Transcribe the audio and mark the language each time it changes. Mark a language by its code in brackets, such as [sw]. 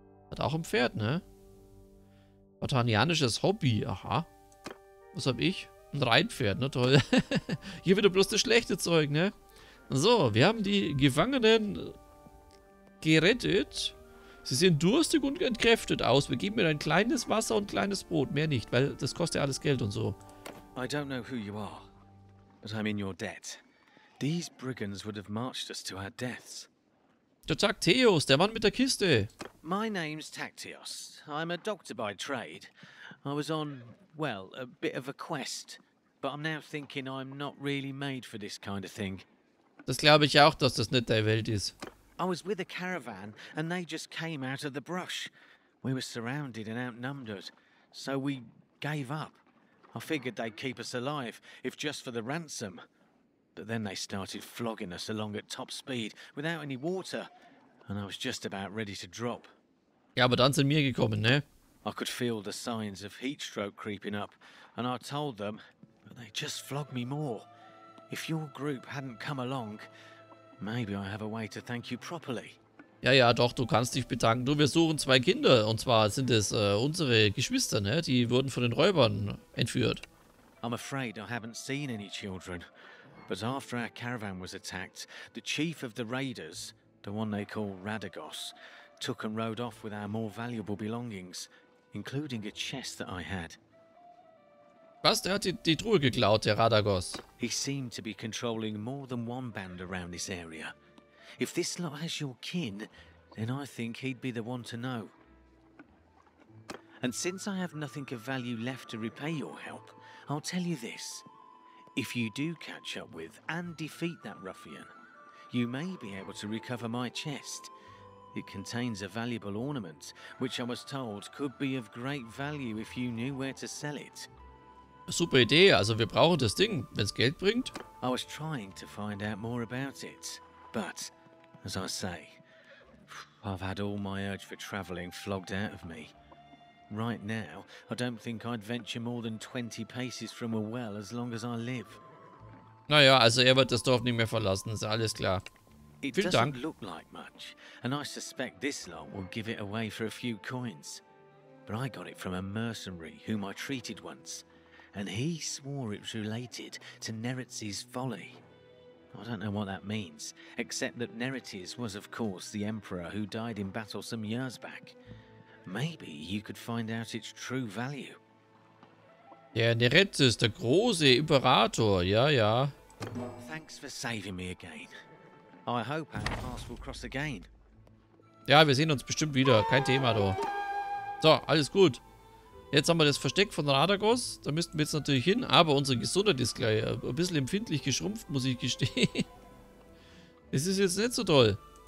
[de] Hat auch ein Pferd, ne? Spartanianisches Hobby, aha. Was hab ich? Ein Reitpferd, ne? Toll. Hier wieder bloß das schlechte Zeug, ne? So, wir haben die Gefangenen gerettet. Sie sehen durstig und entkräftet aus. Wir geben ihnen ein kleines Wasser und kleines Brot. Mehr nicht, weil das kostet ja alles Geld und so. [en] I don't know who you are, but I'm in your debt. These brigands would have marched us to our deaths. [de] Der Taktios, der Mann mit der Kiste. [en] My name's Taktios. I'm a doctor by trade. I was on, well, a bit of a quest. But I'm now thinking I'm not really made for this kind of thing. [de] Das glaube ich auch, dass das nicht der Welt ist. [en] I was with a caravan and they just came out of the brush. We were surrounded and outnumbered. So we gave up. I figured they'd keep us alive, if just for the ransom. But then they started flogging us along at top speed, without any water. And I was just about ready to drop. [de] Ja, aber dann sind wir gekommen, ne? [en] I could feel the signs of heatstroke creeping up. And I told them, but they just flogged me more. If your group hadn't come along, maybe I have a way to thank you properly. [de] Ja, ja, doch, du kannst dich bedanken. Du, wir suchen zwei Kinder. Und zwar sind es unsere Geschwister, ne? Die wurden von den Räubern entführt. [en] I'm afraid I haven't seen any children. But after our caravan was attacked, the chief of the raiders, the one they call Radagos, took and rode off with our more valuable belongings, including a chest that I had. [de] Was? Der hat die Truhe geklaut, der Radagos. [en] He seemed to be controlling more than one band around this area. If this lot has your kin, then I think he'd be the one to know. And since I have nothing of value left to repay your help, I'll tell you this. If you do catch up with and defeat that ruffian, you may be able to recover my chest. It contains a valuable ornament, which I was told could be of great value if you knew where to sell it. [de] Super Idee, also wir brauchen das Ding, wenn es Geld bringt. [en] I was trying to find out more about it, but, as I say, I've had all my urge for traveling flogged out of me. Right now, I don't think I'd venture more than 20 paces from a well as long as I live. [de] Naja, also er wird das Dorf nicht mehr verlassen, ist alles klar. [en] It [de] Vielen [en] doesn't [de] Dank. [en] Look like much, and I suspect this lot will give it away for a few coins. But I got it from a mercenary whom I treated once, and he swore it was related to Neritzi's folly. I don't know what that means, except that Neritzi's was, of course, the emperor who died in battle some years back. Maybe you could find out its true value. [de] Der Neritzis, der große Imperator, ja, ja. [en] Thanks for saving me again. I hope our paths will cross again. [de] Ja, wir sehen uns bestimmt wieder. Kein Thema, du. So, alles gut. Jetzt haben wir das Versteck von Radagos. Da müssten wir jetzt natürlich hin. Aber unsere Gesundheit ist gleich ein bisschen empfindlich geschrumpft, muss ich gestehen. Es ist jetzt nicht so toll.